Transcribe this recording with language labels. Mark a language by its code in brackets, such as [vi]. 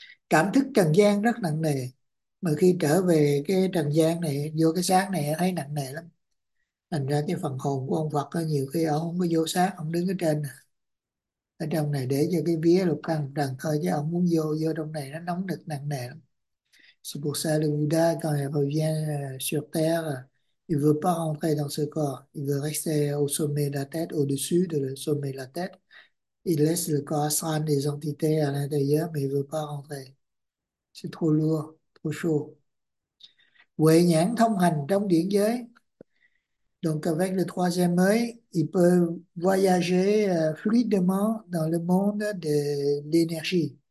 [vi] Cảm thức trần gian rất nặng nề. Mà khi trở về cái trần gian này, vô cái xác này thấy nặng nề lắm. Thành ra cái phần hồn của ông Phật có nhiều khi ông không có vô xác, ông đứng ở trên. Ở trong này để cho cái vía lục căn trần thôi, chứ ông muốn vô vô trong này nó nóng nực nặng nề lắm. [fr] C'est pour ça le Bouddha quand il revient sur terre, il veut pas rentrer dans ce corps, il veut rester au sommet de la tête, au-dessus du sommet de la tête. Il laisse le corps astral des entités à l'intérieur, mais il veut pas rentrer. C'est trop lourd, trop chaud. [vi] Huệ nhãn thông hành trong điển giới. [fr] Donc avec le troisième œil, il peut voyager fluidement dans le monde de l'énergie.